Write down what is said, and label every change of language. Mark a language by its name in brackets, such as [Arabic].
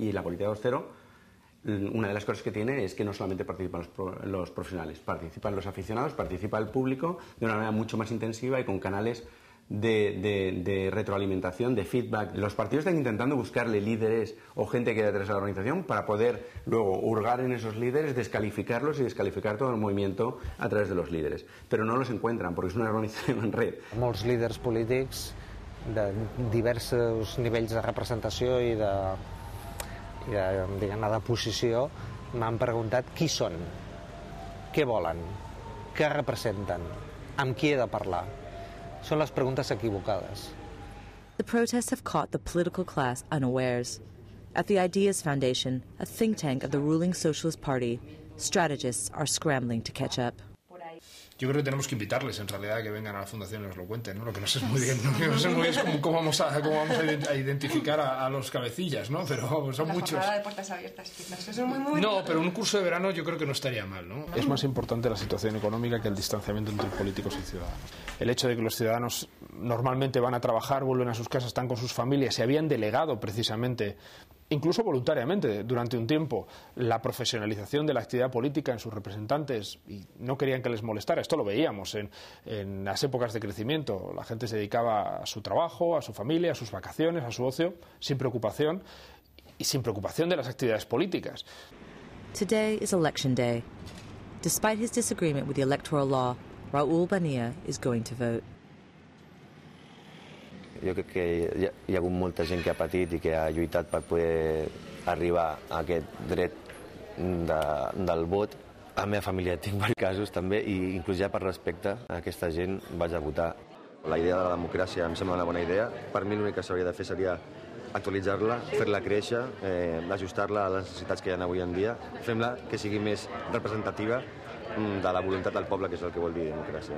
[Spanish] Y la política 2.0, una de las cosas que tiene es que no solamente participan los profesionales, participan los aficionados, participa el público de una manera mucho más intensiva y con canales de retroalimentación, de feedback. Los partidos están intentando buscarle líderes o gente que detrás de la organización para poder luego hurgar en esos líderes, descalificarlos y descalificar todo el movimiento a través de los líderes. Pero no los encuentran porque es una organización en red. [Catalan] Molts líders polítics de diversos nivells de representació i de posició m'han preguntat qui són, què volen, què representen, amb qui he de parlar. Són les preguntes equivocades. [English] The protests have caught the political class unawares. At the Ideas Foundation, a think tank of the ruling Socialist Party, strategists are scrambling to catch up. [Spanish] Yo creo que tenemos que invitarles, en realidad, a que vengan a la fundación y nos lo cuenten, ¿no? Lo que no sé es muy bien, ¿no? Que no sé muy bien cómo vamos a identificar a los cabecillas, ¿no? Pero son la muchos. La jornada de puertas abiertas, quizás. Eso es muy, muy no, bien. Pero un curso de verano yo creo que no estaría mal, ¿no? Es más importante la situación económica que el distanciamiento entre políticos y ciudadanos. El hecho de que los ciudadanos normalmente van a trabajar, vuelven a sus casas, están con sus familias, se habían delegado precisamente, incluso voluntariamente, durante un tiempo, la profesionalización de la actividad política en sus representantes y no querían que les molestara. Esto lo veíamos en las épocas de crecimiento. La gente se dedicaba a su trabajo, a su familia, a sus vacaciones, a su ocio, sin preocupación y sin preocupación de las actividades políticas. [English] Today is election day. Despite his disagreement with the electoral law, Raúl Bonilla is going to vote. [Catalan] Jo crec que hi ha hagut molta gent que ha patit i que ha lluitat per poder arribar a aquest dret del vot. A la meva família tinc diversos casos també i inclús ja per respecte a aquesta gent vaig a votar. La idea de la democràcia em sembla una bona idea. Per mi l'únic que s'hauria de fer seria actualitzar-la, fer-la créixer, ajustar-la a les necessitats que hi ha avui en dia, fer-la que sigui més representativa de la voluntat del poble, que és el que vol dir democràcia.